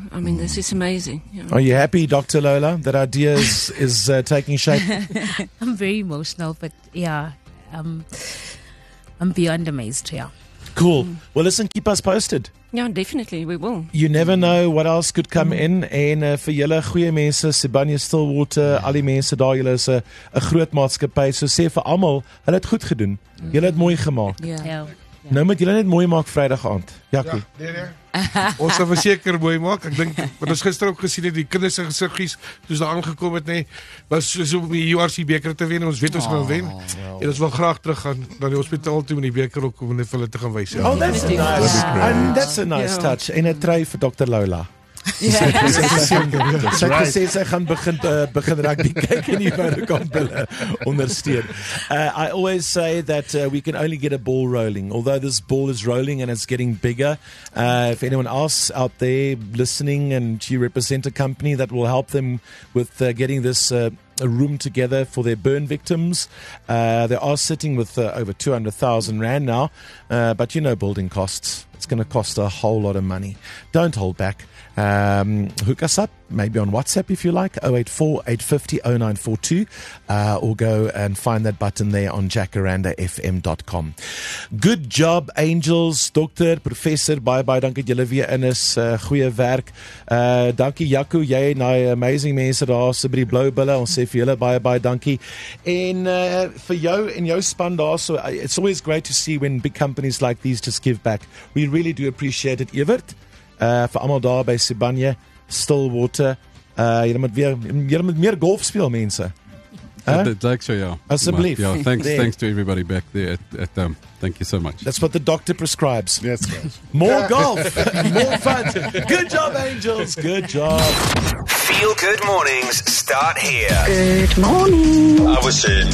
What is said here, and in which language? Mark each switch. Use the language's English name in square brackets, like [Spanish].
[English] I mean, this is amazing. You know? Are you happy, Dr. Lola, that idea is taking shape? I'm very emotional, but yeah, I'm beyond amazed, yeah. Cool. Well, listen, keep us posted. Yeah, definitely, we will. You never know what else could come in. [Afrikaans] En vir julle goeie mense, Sibanye Stillwater, al die mense daar, julle is 'n groot maatskappy. So sê vir almal, hulle het goed gedoen. Julle het mooi gemaak. Ja. Nou moet julle net mooi maak Vrydag aand. Jakkie. Ja. Ons sal verseker mooi maak. Ek dink wat ons gister ook gesien het, die kinders se gesiggies toe hulle aangekom het, nê, was soos om die URC beker te wen. Ons weet ons gaan wen. En ons wil graag terug gaan na die hospitaal toe met die beker ook om net vir hulle te gaan wys. [English] Oh, that's nice. And that's a nice touch. [Afrikaans] En 'n trui vir Dr. Lola. Sy het gesê sy gaan begin rugby kyk en die Vodacombe ondersteun. [English] I always say that we can only get a ball rolling. Although this ball is rolling and it's getting bigger, if anyone else out there listening and you represent a company that will help them with getting this a room together for their burn victims. They are sitting with over 200,000 rand now, but you know building costs. It's going to cost a whole lot of money. Don't hold back. Hook us up, maybe on WhatsApp if you like, 084-850-0942, or go and find that button there on jacarandafm.com. Good job, angels, [Afrikaans] dokter, professor, bye-bye, dankie dat julle weer in is, goeie werk. Dankie, Jaco, jy en die amazing mense daar, so by die blou bille, ons sê vir julle bye-bye, dankie. En vir jou en jou span daar, [English] so it's always great to see when big companies like these just give back. We really do appreciate it, Evert. [Afrikaans] Vir almal daar by Sibanye Stillwater. Julle moet meer golf speel, mense. Asseblief. [English] Yeah, thanks to everybody back there at them. Thank you so much. That's what the doctor prescribes. Yes, guys. More golf. More fun. Good job, angels. Good job. Feel good mornings start here. Good morning. I was in.